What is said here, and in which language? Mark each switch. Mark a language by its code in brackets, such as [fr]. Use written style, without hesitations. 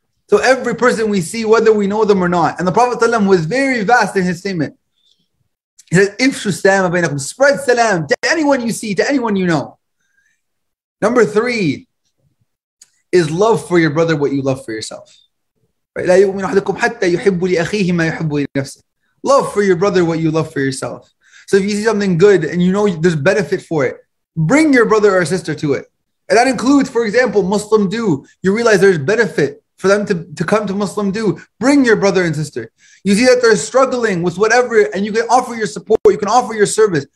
[en] So every person we see, whether we know them or not, and the Prophet ﷺ was very vast in his statement. He says, [ar] "Ifshu salam abaynakum," [en] spread salam to anyone you see, to anyone you know. Number three is love for your brother what you love for yourself. [ar] لا يؤمن أحدكم حتى يحب لأخيه ما يحب لنفسه. [en] Love for your brother what you love for yourself. So if you see something good and you know there's benefit for it, bring your brother or sister to it. And that includes, for example, Muslim Do. You realize there's benefit for them to come to Muslim Do. Bring your brother and sister. You see that they're struggling with whatever, and you can offer your support, you can offer your service.